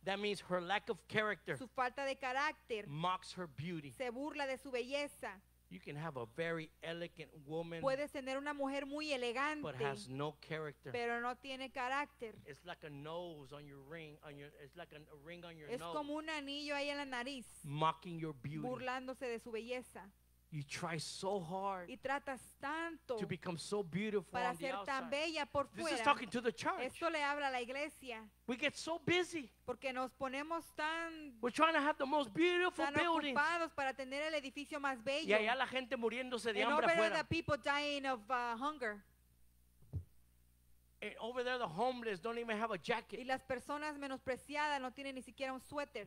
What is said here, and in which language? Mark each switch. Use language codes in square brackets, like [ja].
[en] That means her lack of character. [es] Su falta de carácter. [en] Mocks her beauty. [es] Se burla de su belleza. [en] You can have a very elegant woman. [es] Puedes tener una mujer muy elegante. [en] But has no character. [es] Pero no tiene carácter. [en] It's like a nose on your ring. On your, it's like a ring on your [es] es [en] nose. [es] Es como un anillo ahí en la nariz. [en] Mocking your beauty. [es] Burlándose de su belleza. [en] You try so hard [es] y tratas tanto [en] to become so beautiful [es] para [en] on the [es] ser [en] outside. [es] Tan bella por [en] this [es] fuera. [en] Is talking to the church. [es] Esto le habla a la iglesia. [en] We get so busy. [es] Porque nos ponemos tan [en] we're trying to have the most beautiful [es] tan [en] buildings. [es] Ocupados para tener el edificio más bello. Y allá la gente muriéndose de hambre afuera. [en] And over there the people dying of hunger. And over there the homeless don't even have a jacket. [es] Y las personas menospreciadas no tienen ni siquiera un suéter.